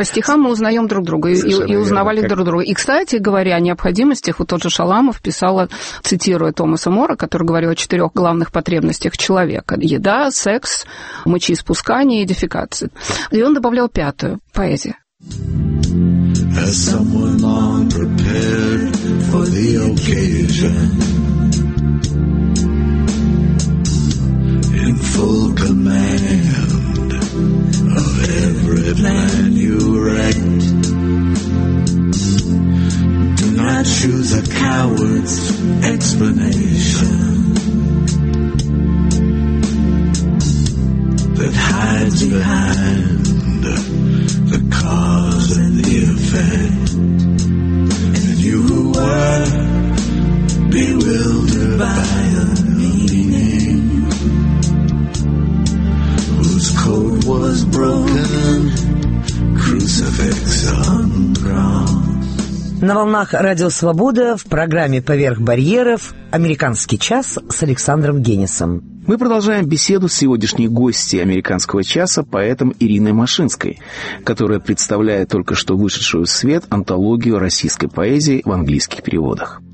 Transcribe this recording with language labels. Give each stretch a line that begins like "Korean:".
Russian: По стихам мы узнаем друг друга и узнавали друг друга. И, кстати говоря, о необходимостях, вот тот же Шаламов писал, цитируя Томаса Мора, который говорил о четырех главных потребностях человека: еда, секс, мочеиспускание и дефекация. И он добавлял пятую – поэзия.
English: As someone long prepared for the occasion, in full command of every plan you write, do not choose a coward's explanation that hides behind the cause and the effect. And you who were bewildered by a meaning whose code was broken, crucifix on cross.
Russian: На волнах Радио Свобода в программе «Поверх барьеров» «Американский час» с Александром Генисом. Мы продолжаем беседу с сегодняшней гостьей «Американского часа» поэтом Ириной Машинской, которая представляет только что вышедшую в свет антологию российской поэзии в английских переводах.